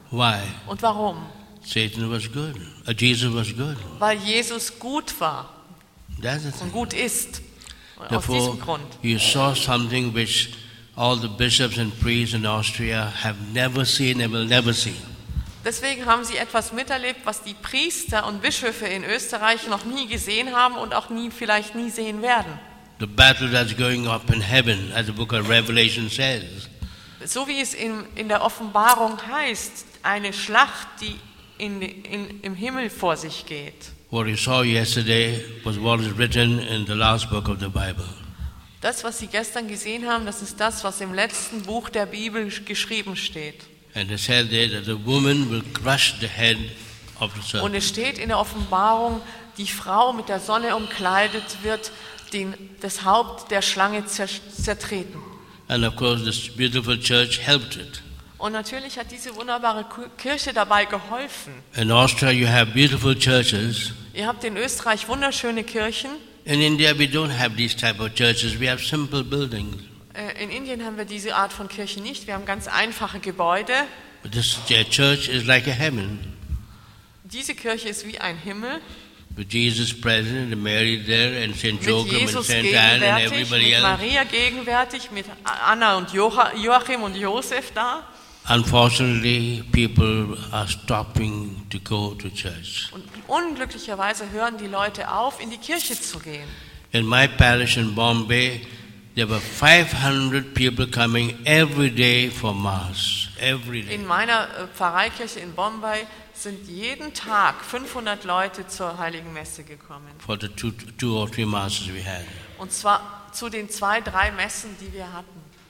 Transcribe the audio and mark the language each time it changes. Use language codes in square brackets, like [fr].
[en] Why? [de] Und warum? [en] Satan was good. Jesus was good. [de] Weil Jesus gut war. [en] That's the thing. [de] Und gut ist. [en] Therefore, you saw something which all the bishops and priests in Austria have never seen and will never see. [de] Deswegen haben sie etwas miterlebt, was die Priester und Bischöfe in Österreich noch nie gesehen haben und auch nie vielleicht nie sehen werden. [en] The battle that's going up in heaven, as the book of Revelation says. [de] So wie es in der Offenbarung heißt, eine Schlacht, die im Himmel vor sich geht. [en] What you saw yesterday was what is written in the last book of the Bible. [de] Das, was Sie gestern gesehen haben, das ist das, was im letzten Buch der Bibel geschrieben steht. [en] And it said there that the woman will crush the head of the serpent. [de] Und es steht in der Offenbarung, die Frau mit der Sonne umkleidet wird, das Haupt der Schlange zertreten. [en] And of course, this beautiful church helped it. [de] Und natürlich hat diese wunderbare Kirche dabei geholfen. [en] In Austria you have beautiful churches. [de] Ihr habt in Österreich wunderschöne Kirchen. [en] In India we don't have these type of churches. We have simple buildings. [de] In Indien haben wir diese Art von Kirchen nicht. Wir haben ganz einfache Gebäude. [en] But this church is like a heaven. [de] Diese Kirche ist wie ein Himmel. [en] With Jesus present and Mary there and St. Joachim and St. Anne and everybody else. [de] Mit Maria gegenwärtig, mit Anna und Joachim und Josef da. [en] Unfortunately, people are stopping to go to church. [de] Und unglücklicherweise hören die Leute auf, in die Kirche zu gehen. [en] In my parish in Bombay, there were 500 people coming every day for Mass. Every day. [de] In meiner Pfarreikirche in Bombay sind jeden Tag 500 Leute zur Heiligen Messe gekommen. [en] For the two or three Masses we had. [de] Und zwar zu den zwei, drei Messen, die wir hatten.